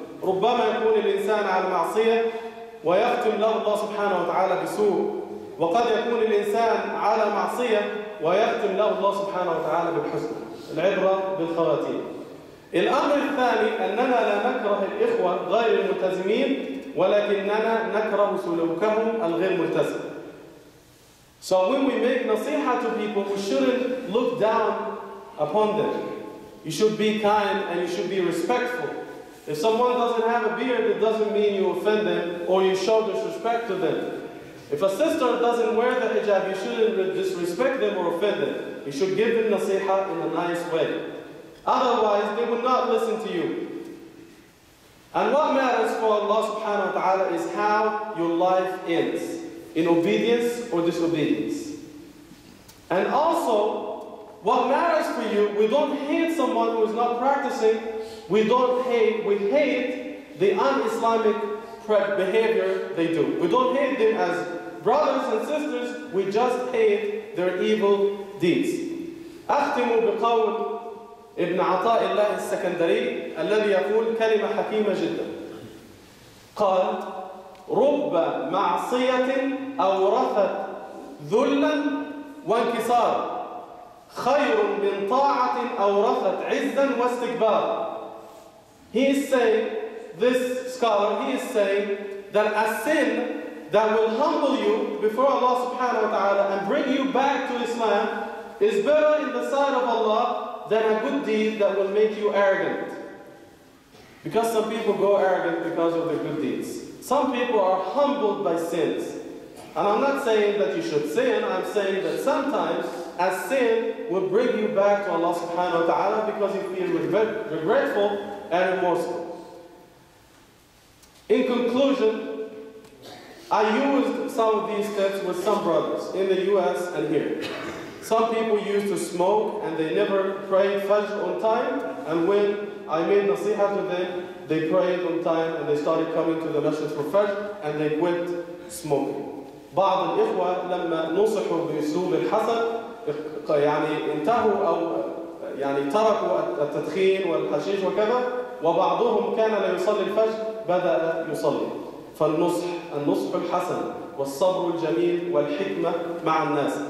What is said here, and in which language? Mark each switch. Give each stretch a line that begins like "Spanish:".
Arabic: ربما يكون الإنسان على معصية ويختم له الله سبحانه وتعالى بسوء، وقد يكون الإنسان على معصية ويختم له الله سبحانه وتعالى بالحسنى. العبرة بالخواتيم. الأمر الثاني أننا لا نكره الإخوة غير الملتزمين ولكننا نكره سلوكهم الغير ملتزم.
English: So when we make nasiha to people, we shouldn't look down upon them. You should be kind and you should be respectful. If someone doesn't have a beard, it doesn't mean you offend them or you show disrespect to them. If a sister doesn't wear the hijab, you shouldn't disrespect them or offend them. You should give them nasiha in a nice way. Otherwise, they will not listen to you. And what matters for Allah subhanahu wa ta'ala is how your life ends, in obedience or disobedience. And also, what matters for you, we don't hate someone who is not practicing, we don't hate, we hate the un-Islamic behavior they do. We don't hate them as brothers and sisters, we just hate their evil deeds.
Arabic: أختم بقول ابن عطاء الله السكندري الذي يقول كلمة حكيمة جدا. قال رب معصية أورثت ذلا وانكسارا خير من طاعة أورثت عزا واستكبارا.
English: He is saying, this scholar, he is saying that a sin that will humble you before Allah subhanahu wa ta'ala and bring you back to Islam is better in the sight of Allah than a good deed that will make you arrogant. Because some people go arrogant because of their good deeds. Some people are humbled by sins. And I'm not saying that you should sin, I'm saying that sometimes a sin will bring you back to Allah subhanahu wa ta'ala because you feel regretful and remorseful. In conclusion, I used some of these steps with some brothers in the US and here. Some people used to smoke and they never prayed Fajr on time, and when I made nasiha to them, they prayed on time and they started coming to the masjid for Fajr and they quit smoking.
Arabic: بعض الإخوة لما نصحوا بأسلوب الحسن يعني انتهوا أو يعني تركوا التدخين والحشيش وكذا، وبعضهم كان لا يصلي الفجر بدأ يصلي. فالنصح النصح الحسن والصبر الجميل والحكمة مع الناس.